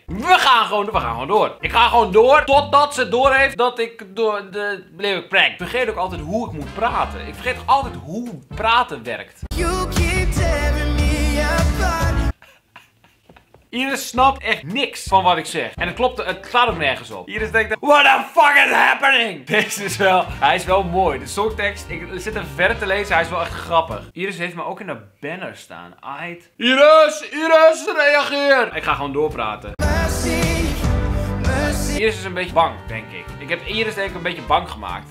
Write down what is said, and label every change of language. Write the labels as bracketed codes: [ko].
[nl] We gaan gewoon door. Ik ga gewoon door totdat ze doorheeft dat ik door de bleef ik prank. Vergeet ook altijd hoe ik moet praten. Ik vergeet altijd hoe praten werkt. [en] You keep telling me about. [nl] Iris snapt echt niks van wat ik zeg. En het gaat ook nergens op. Iris denkt, [en] what the fuck is happening? [nl] Deze is wel, hij is wel mooi. De songtekst, ik zit hem verder te lezen, hij is wel echt grappig. Iris heeft me ook in een banner staan. Aight. Iris, reageer! Ik ga gewoon doorpraten. Mercy. Iris is een beetje bang, denk ik. Ik heb Iris denk ik een beetje bang gemaakt.